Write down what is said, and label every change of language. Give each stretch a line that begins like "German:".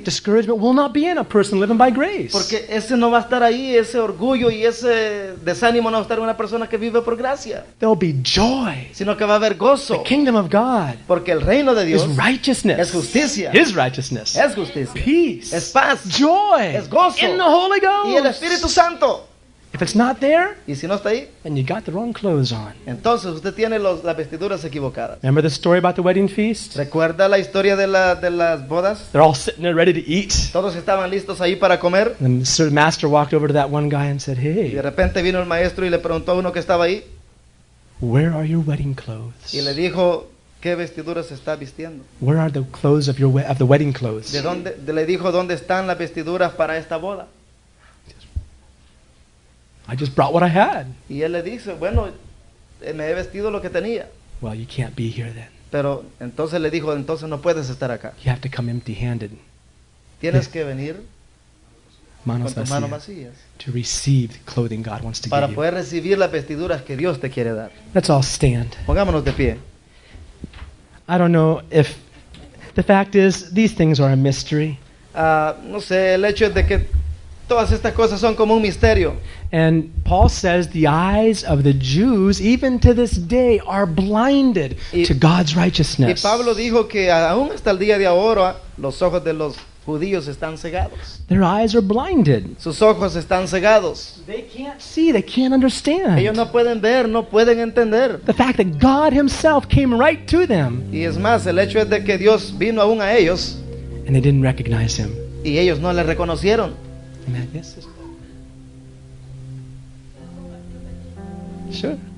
English: Discouragement will not be in a person living by grace.
Spanish: Porque ese no va a estar ahí, ese orgullo y ese desánimo no va a estar en una persona que vive por gracia.
English: There'll be joy.
Spanish: Sino que va a haber gozo.
English: The kingdom of God.
Spanish: Porque el reino de Dios
English: is righteousness.
Spanish: Es justicia.
English: His righteousness.
Spanish: Es justicia.
English: Peace.
Spanish: Es paz.
English: Joy.
Spanish: Es gozo.
English: In the Holy Ghost.
Spanish: Y el Espíritu Santo.
English: If it's not there,
Spanish: ¿y si no está ahí?
English: Then you got the wrong clothes on.
Spanish: Entonces usted tiene las vestiduras equivocadas.
English: Remember the story about the wedding feast?
Spanish: ¿Recuerda la historia de las bodas?
English: They're all sitting there ready to eat.
Spanish: Todos estaban listos ahí para comer.
English: And the master walked over to that one guy and said, hey.
Spanish: Y de repente vino el maestro y le preguntó a uno que estaba ahí.
English: Where are your wedding clothes?
Spanish: Y le dijo, ¿qué vestiduras está vistiendo?
English: Where are the clothes of the wedding clothes?
Spanish: ¿Dónde están las vestiduras para esta boda?
English: I just brought what I had.
Spanish: Y él le dice, bueno, me he vestido lo que tenía.
English: Well, you can't be here then.
Spanish: Pero entonces le dijo, entonces no puedes estar acá.
English: You have to come empty-handed.
Spanish: Tienes que venir manos con tus manos vacías.
English: To receive the clothing God wants to give you.
Spanish: Para poder recibir las vestiduras que Dios te quiere dar.
English: Let's all stand.
Spanish: Pongámonos de pie.
English: I don't know if the fact is these things are a mystery.
Spanish: No sé, el hecho es de que todas estas cosas son como un misterio.
English: And Paul says the eyes of the Jews even to this day are blinded to God's righteousness.
Spanish: Y Pablo dijo que aún hasta el día de ahora los ojos de los judíos están cegados.
English: Their eyes are blinded.
Spanish: Sus ojos están cegados.
English: They can't see, they can't understand.
Spanish: Ellos no pueden ver, no pueden entender.
English: The fact that God himself came right to them.
Spanish: Y es más, el hecho es de que Dios vino aún a ellos.
English: And they didn't recognize him.
Spanish: Y ellos no le reconocieron.
English: Sure.